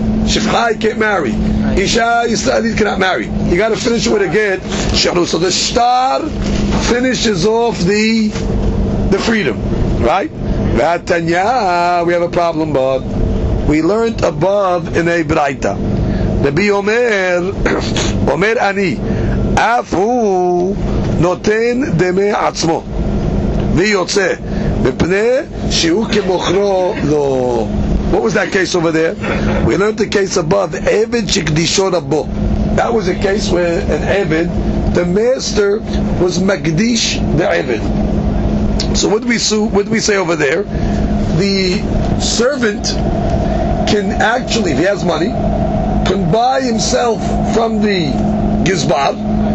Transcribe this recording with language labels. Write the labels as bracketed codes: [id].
[en] Shifcha can't marry. Isha Yisraelit cannot marry. You got to finish it with a get shehrur. So the shtar finishes off the freedom. Right? Vatanya, we have a problem, but we learned above in a braita [he] רבי אומר, אומר אני, אף הוא נותן דמי עצמו ויוצא מפני שהוא כמוכרו לו. [en] What was that case over there? We learned the case above, [he] עבד שקדישו רבו. [en] That was a case where an עבד, the master was מקדיש the עבד. So what do we say over there? The servant can actually, if he has money, can buy himself from the gizbar.